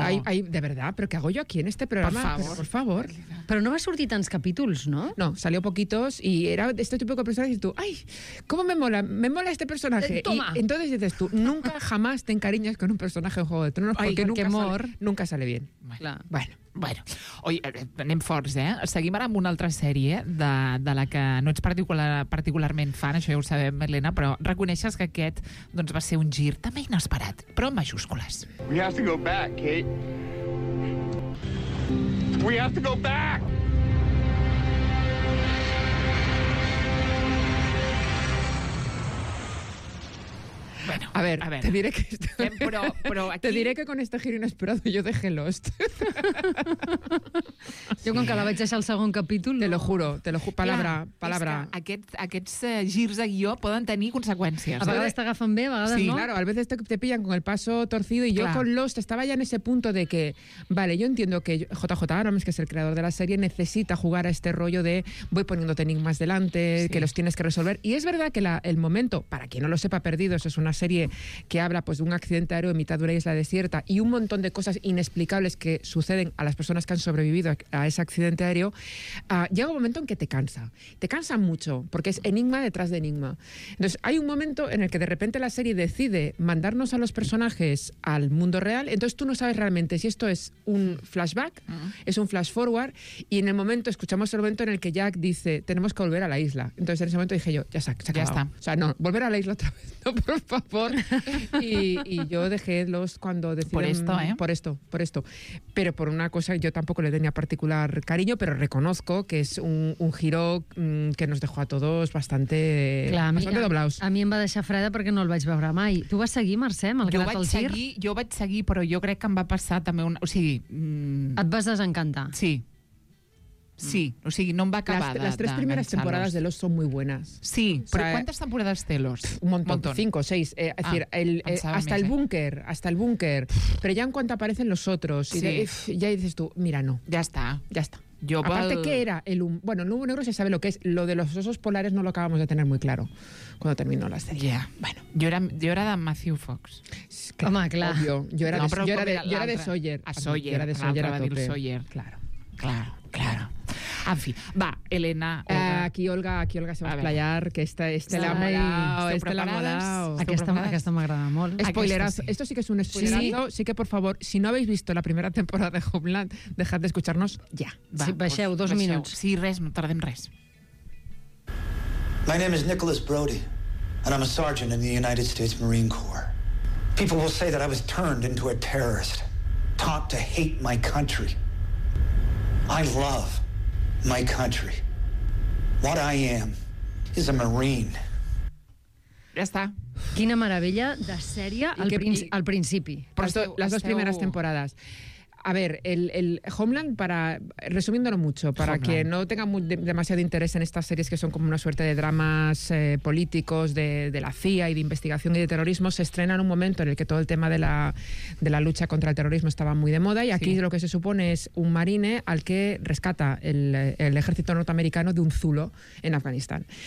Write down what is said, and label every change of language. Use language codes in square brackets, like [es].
[es] Hay, de verdad, pero ¿qué hago yo aquí en este programa? Por favor. Pero no va a surtir tantos capítulos, ¿no? No, salió poquitos y era de este tipo de personaje. Y tú, ¡ay! ¿Cómo me mola este personaje? Toma. Y entonces dices tú, nunca jamás te encariñas con un personaje de Juego de Tronos porque nunca sale bien. Claro. [ca] Bueno, anem forts, eh? Seguim ara amb una altra sèrie de la que no ets particularment fan, això ja ho sabem, Elena, però reconeixes que aquest doncs va ser un gir també inesperat, però en majúscules. [en] We have to go back, Kate. We have to go back! [es] Bueno, a ver, te diré que esto, pero aquí... te diré que con este giro inesperado yo dejé Lost. Yo con que [ca] la vaig deixar al segon capítol, no? [es] Te lo juro, palabra. [ca] Aquests girs de guió poden tenir conseqüències. A vegades t'agafen bé, a vegades sí, no. [es] Sí, claro, a veces te pillan con el paso torcido y claro. Yo con Lost estaba ya en ese punto de que, vale, yo entiendo que JJ Abrams, que es el creador de la serie, necesita jugar a este rollo de voy poniéndote enigmas delante, sí, que los tienes que resolver. Y es verdad que el momento, para quien no lo sepa, Perdidos es una serie que habla pues de un accidente aéreo en mitad de una isla desierta y un montón de cosas inexplicables que suceden a las personas que han sobrevivido a ese accidente aéreo. Llega un momento en que te cansa mucho, porque es enigma detrás de enigma. Entonces hay un momento en el que de repente la serie decide mandarnos a los personajes al mundo real, entonces tú no sabes realmente si esto es un flashback, es un flash forward, y en el momento escuchamos el momento en el que Jack dice, tenemos que volver a la isla. Entonces en ese momento dije yo, ya se ha acabado. Ya está. O sea, no, volver a la isla otra vez, no, por favor. Por y yo dejé los cuando deciden, por esto, pero por una cosa yo tampoco le tenía particular cariño, pero reconozco que es un giro que nos dejó a todos bastante, [ca] clar, [es] bastante doblados. [ca] A mi em va deixar freda perquè no el vaig veure mai. Tu vas seguir, Mercè, malgrat el gir? Jo vaig seguir, però jo crec que em va passar també una, o sigui, et vas desencantar. Sí. Sí, o sigui, no em va acabar les tres primeres temporades de Lost són molt bones. Sí, però quantes temporades té Lost? [es] Un montón. 5 o 6. Hasta el búnker. [ca] Però ja en quant apareixen [es] los otros, [ca] sí. [es] Ya dices tú, mira, no. Ya está. Aparte, ¿qué era el humo? Bueno, el humo negro se sabe lo que es. Lo de los osos polares no lo acabamos de tener muy claro cuando terminó la serie. Ya. Yeah. Bueno. Yo era de Matthew Fox. [ca] Home, clar. [es] Obvio. Yo era de Sawyer. A Sawyer. Yo era de Sawyer a tope. Sawyer. Claro. [ca] En fi, va, Elena... [es] Aquí Olga se va a explayar, que este l'ha molado, este l'ha molado. [ca] Aquesta m'agrada molt. [es] Spoilerazo, esto sí que es un spoilerazo. Sí que, por favor, si no habéis visto la primera temporada de Homeland, dejad de escucharnos ya. [ca] Va, sí, baixeu, dos baixeu. Minuts. Sí, res, no tardem res. [en] My name is Nicholas Brody, and I'm a sergeant in the United States Marine Corps. People will say that I was turned into a terrorist, taught to hate my country. I love my country. What I am is a Marine. [ca] Ja està. Quina meravella de sèrie al principi. Però les dues primeres temporades. [es] A ver, el Homeland, para resumiéndolo mucho, para Homeland, que no tenga demasiado interés en estas series que son como una suerte de dramas políticos de la CIA y de investigación y de terrorismo, se estrena en un momento en el que todo el tema de la lucha contra el terrorismo estaba muy de moda, y aquí sí, lo que se supone es un marine al que rescata el ejército norteamericano de un zulo en Afganistán.